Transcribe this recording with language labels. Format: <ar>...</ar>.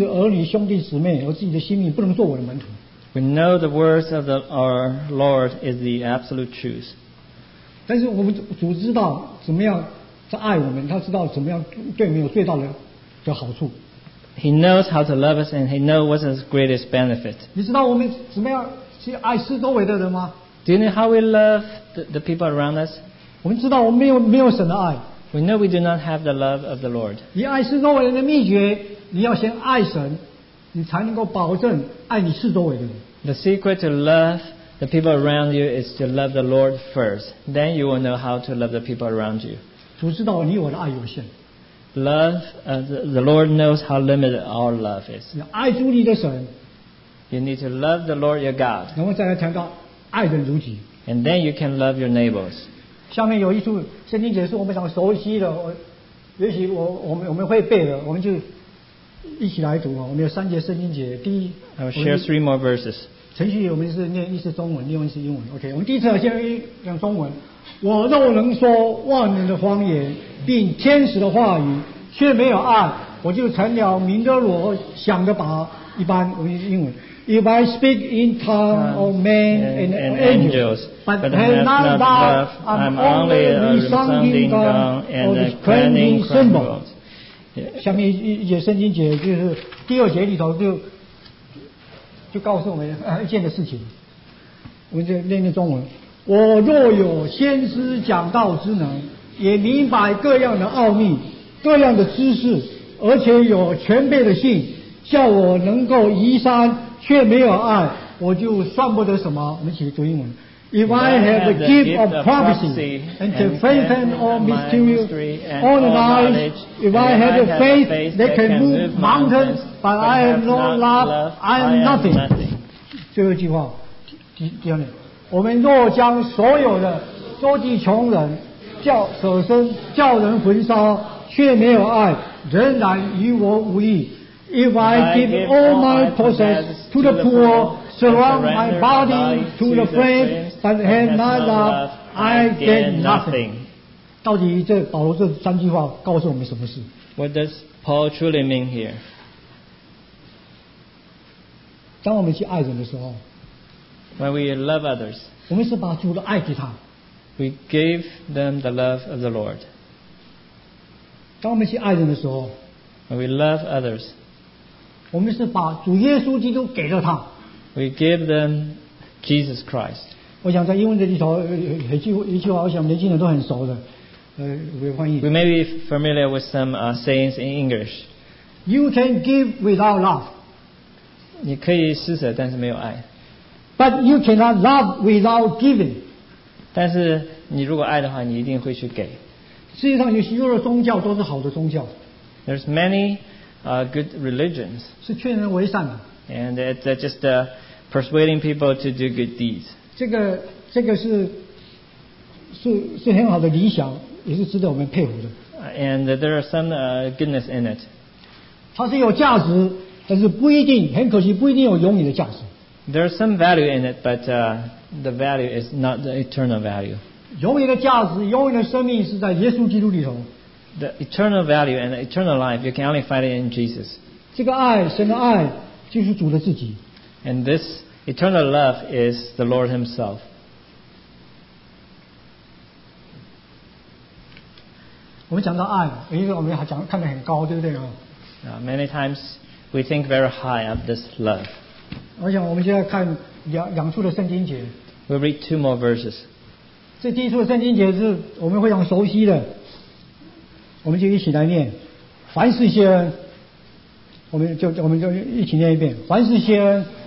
<zh>我想我们的主他的讲话就是真理,他讲非常绝对,他是不是讲到爱,他说如果不恨过恨你的自己的父母,妻子,儿女,兄弟,姊妹和自己的性命,不能做我的门徒。</zh> <en>We know the words of our Lord is the absolute truth.</en> <zh>但是我们主知道怎么样爱我们,他知道怎么样对我们有最大的好处。</zh> <en>He knows how to love us and he knows what's his greatest benefit.</en> <zh>你知道我们怎么样去爱四周围的人吗?</zh> <en>Do you know how we love the people around us?</en> <zh>我们知道我们没有神的爱。</zh> <en>We know we do not have the love of the Lord.</en> <zh>你爱四周围人的秘诀,你要先爱神。你才能够保证爱你四周围的人。</zh> <en>The secret to love the people around you is to love the Lord first. Then you will know how to love the people around you.</en> <zh>主知道你我的爱有限。</zh> <en>Love, the Lord knows how limited our love is.</en> <zh>你爱主你的神。</zh> <en>You need to love the Lord your God.</en> <zh>然后再来强调爱人如己。</zh> <en>And then you can love your neighbors.</en> <zh>下面有一处圣经解释我们想熟悉的, 也许我们会背的, 我们就一起来读，我们有三节圣经节，第一</zh> <en>I will share three more verses。</en> <zh>程序我们是念一次中文，用一次英文。OK， 我们第一次先用中文。我若能说万能的方言并天使的话语，却没有爱，我就成了明哥罗想的宝一般。我们英文。</zh> <en>If I speak in tongues of men and angels, but have not love, I'm only a resounding gong and a clanging cymbal.</en> <zh>下面一节圣经节就是第二节里头就告诉我们一件的事情。我们就念念中文。我若有先知讲道之能，也明白各样的奥秘、各样的知识，而且有全备的信，叫我能够移山。却没有爱，我就算不得什么。我们一起读英文。</zh> <en>If I have the gift of prophecy and the faith and all mystery and all knowledge, if I have the faith that can move mountains, but I have no love, I am nothing.</en> <zh>最后一句话，第二点，我们若将所有的周济穷人，叫舍身叫人焚烧，却没有爱，仍然与我无异。</zh> <en>If I give all my possessions to the poor, surround my body to the friend, but have not love, I gain nothing.</en> <zh>到底这保罗这三句话告诉我们什么事？</zh> <en>What does Paul truly mean here?</en> <zh>当我们去爱人的时候，</zh> <en>When we love others,</en> <zh>我们是把主的爱给他。</zh> <en>We gave them the love of the Lord.</en> <zh>当我们去爱人的时候，</zh> <en>When we love others,</en> <zh>我们是把主耶稣基督给了他。</zh> <en>We give them Jesus Christ.</en> <zh>我想在英文这里头一句话，我想年轻人都很熟的。我翻译。</zh> <en>We may be familiar with some sayings in English. You can give without love.</en> <zh>你可以施舍，但是没有爱。</zh> <en>But you cannot love without giving.</en> <zh>但是你如果爱的话，你一定会去给。世界上有许多的宗教都是好的宗教。</zh> <en>There's many. Good religions</en> <zh>是劝人为善的</zh> <en>and it's just persuading people to do good deeds.</en> <zh>这个是很好的理想，也是值得我们佩服的。</zh> <en>And there are some goodness in it.</en> <zh>它是有价值，但是不一定，很可惜，不一定有永远的价值。</zh> <en>There is some value in it, but the value is not the eternal value.</en> <zh>永远的价值，永远的生命是在耶稣基督里头。</zh> <en>The eternal value and the eternal life, you can only find it in Jesus.</en> <zh>这个爱，神的爱，就是主的自己。</zh> <en>And this eternal love is the Lord Himself.</en> <zh>我们讲到爱，因为我们还讲看得很高，对不对啊？</zh> <en>Many times we think very high of this love.</en> <zh>我想我们现在看两处的圣经节。</zh> <en>We'll read two more verses.</en> <zh>这第一处的圣经节是我们非常熟悉的。我们就一起来念，凡事谢恩，我们就一起念一遍，凡事谢恩。</zh>